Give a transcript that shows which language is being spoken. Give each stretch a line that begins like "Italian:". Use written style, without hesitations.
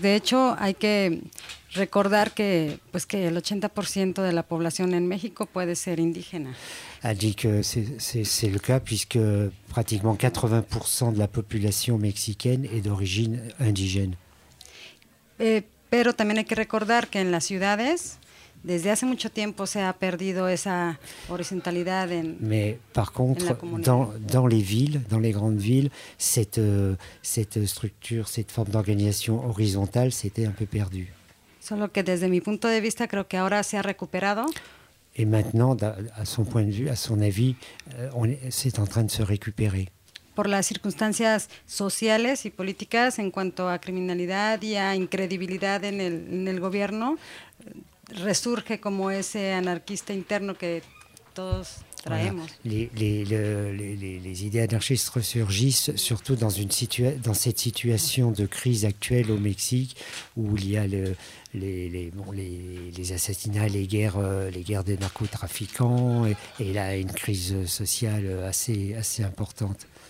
Spanish: De hecho, hay que recordar que el 80% de la población en México puede ser indígena. Ha dicho que
French: c'est le cas puisque pratiquement 80% de la population mexicaine est d'origine indigène.
Spanish: Pero también hay que recordar que en las ciudades desde hace mucho tiempo se ha perdido esa horizontalidad en
French: Mais par contre
Spanish: en la comunidad.
French: dans les villes, dans les grandes villes, cette structure, cette forme d'organisation horizontale s'était un peu perdue.
Spanish: Solo que desde mi punto de vista creo que ahora se ha recuperado.
French: Et maintenant à son point de vue, à son avis, on c'est en train de se récupérer.
Spanish: Por las circunstancias sociales y políticas en cuanto a criminalidad y a incredibilidad en el gobierno, resurge como ese anarquista interno que todos traemos.
French: Voilà. Les idées anarchistes resurgissent surtout dans cette situation de crise actuelle au Mexique où il y a les assassinats, les guerres de narcotrafiquants et là une crise sociale assez assez importante.